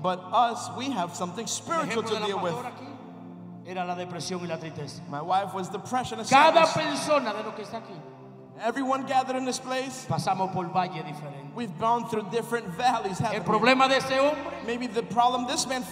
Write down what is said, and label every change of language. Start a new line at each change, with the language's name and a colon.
English: But us, we have something spiritual to deal with.
Spanish: Era la depresión y la tristeza.
English: My wife was depression.
Spanish: Cada persona de lo que está aquí.
English: Everyone gathered in this place.
Spanish: Pasamos por valle diferente.
English: We've gone through different valleys.
Spanish: El problema de ese hombre,
English: maybe the problem this man faced,